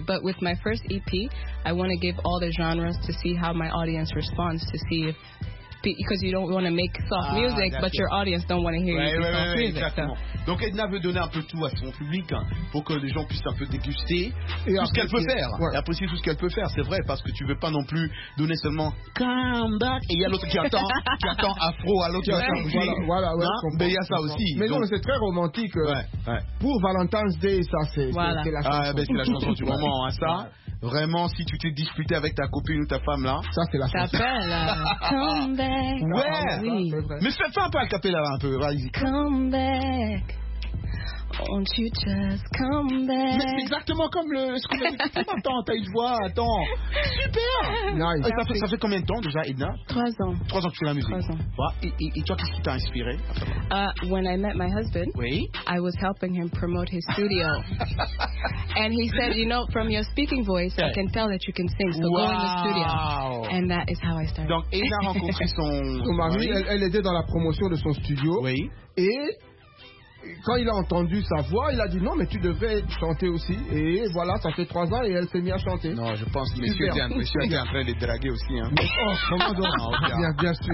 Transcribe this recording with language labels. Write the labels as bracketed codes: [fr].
[en] But with my first EP, I want to give all the genres to see how my audience responds, to see if... Because you don't want to make soft music, but your audience don't want to hear [fr] ouais, [en] you [fr] ouais, [en] soft ouais, music. So. [fr] Donc Edna veut donner un peu tout à son public hein, pour que les gens puissent un peu déguster et tout ce qu'elle peut faire. Ouais. Et apprécier tout ce qu'elle peut faire, c'est vrai, parce que tu veux pas non plus donner seulement come back. Et il y a l'autre qui attend afro à l'autre. Voilà, mais il y a ça aussi. Mais donc, non, c'est très romantique. Ouais. Pour Valentine's Day, ça c'est, voilà. C'est la chanson. Ah, ben, c'est la chanson du moment, hein, ça. Vraiment, si tu t'es disputé avec ta copine ou ta femme là, ça c'est la chanson. [en] Come back. [fr] Ouais. Oui. Mais fais un peu à capella là un peu, vas-y. [en] Come back. Won't you just come back? [fr] Mais c'est exactement comme le. Ce qu'on avait dit. Attends, t'as une voix, attends. Super. [en] Nice. [fr] Ça fait combien de temps déjà, Edna? 3 ans. 3 ans que tu fais la musique. 3 ans. Ouais. Et toi, qu'est-ce qui t'a inspiré? [en] When I met my husband, [fr] oui. [en] I was helping him promote his studio. And he said, you know, from your speaking voice, yeah. I can tell that you can sing. So wow. Go in the studio. Wow. And that is how I started. [fr] Donc, Edna a rencontré son mari. Elle était dans la promotion de son studio. Oui. Et. Quand il a entendu sa voix, il a dit non, mais tu devais chanter aussi. Et voilà, ça fait 3 ans et elle s'est mise à chanter. Non, je pense que monsieur était en train de les draguer aussi. Hein. Mais, oh, comment donc non, okay. Bien sûr.